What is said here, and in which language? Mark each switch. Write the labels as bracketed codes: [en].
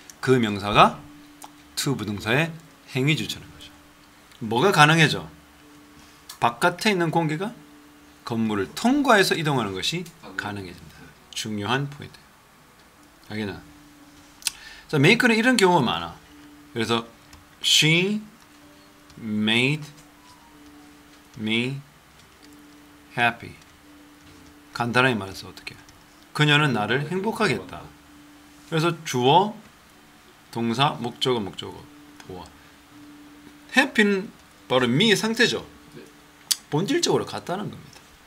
[ko] 그 명사가 to 부동사의 행위 주체라는 거죠. 뭐가 가능해져? 바깥에 있는 공기가 건물을 통과해서 이동하는 것이 가능해진다. 중요한 포인트. 여기는 자, make는 이런 경우가 많아. 그래서 [en] she made me happy. [ko] 간단하게 말해서 어떻게? 그녀는 나를 행복하게 했다. 그래서 주어 동사, 목적어, 목적어, 보어. happy는 바로 me 상태죠. 본질적으로 같다는 겁니다.